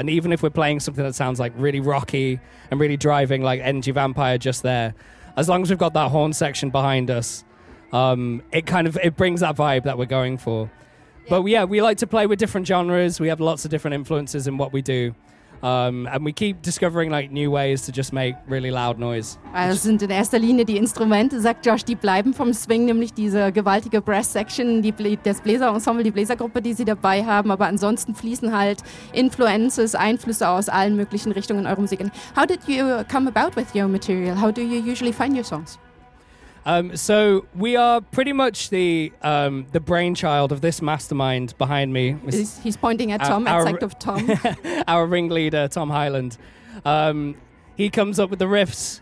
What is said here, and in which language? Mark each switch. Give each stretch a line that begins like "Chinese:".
English: And even if we're playing something that sounds like really rocky and really driving, like Energy Vampire just there, as long as we've got that horn section behind us, it brings that vibe that we're going for. Yeah. But yeah, we like to play with different genres. We have lots of different influences in what we do. And we keep discovering like new ways to just make really loud noise.
German: Also sind in erster Linie die Instrumente, sagt Josh, die bleiben vom Swing, nämlich diese gewaltige Brass Section, das Bläserensemble, die Bläsergruppe, die sie dabei haben. Aber ansonsten fließen halt Influences, Einflüsse aus allen möglichen Richtungen in eure Musik.
English: How did you come about with your material? How do you usually find your songs? So we are pretty much the brainchild of this mastermind behind me. He's pointing at Tom, at sight of Tom. Our ringleader, Tom Hyland. He comes up with the riffs.